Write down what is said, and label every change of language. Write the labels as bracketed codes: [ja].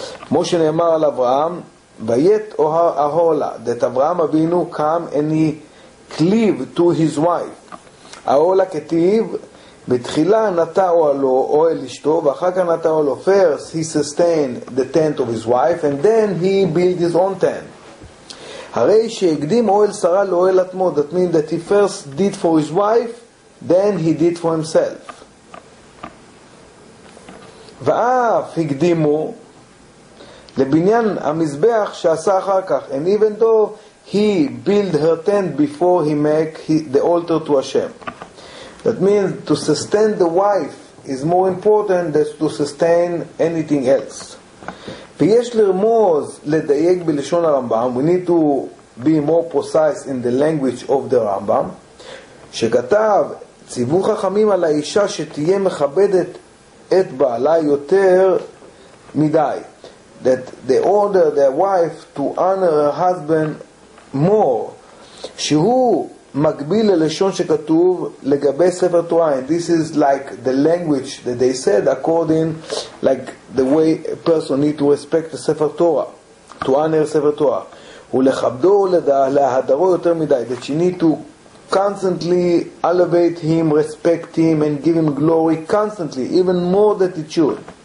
[he] Moshe ne'emar al Avraham, v'yet ohar ahola, [en] that Avraham Avinu come and he cleave to his wife. [he] Ahola ketiv, בתחילה נטע אוהלו, אוהל אשתו, ואחר כך נטע אוהלו. [en] First, he sustained the tent of his wife, and then he built his own tent. [he] הרי שהקדים אוהל שרה לאוהל עצמו, [en] that means that he first did for his wife, then he did for himself. [he] ואף הקדימו לבניין המזבח שעשה אחר כך, [en] and even though he built her tent before he make the altar to Hashem. That means to sustain the wife is more important than to sustain anything else. [he] ויש לרמוז לדייק בלשון הרמב״ם, [en] we need to be more precise in the language of the [he] רמב״ם, שכתב, ציוו חכמים על האישה שתהיה מכבדת את בעלה יותר מדי. [en] That they order their wife to honor her husband more. [he] שהוא מקביל ללשון שכתוב לגבי ספר תורה. [en] This is like the language that they said according like the way a person need to respect the ספר תורה, to honor ספר תורה, [he] ולכבדו להדרו יותר מדי, [en] that you need to constantly elevate him, respect him and give him glory constantly, even more than it should.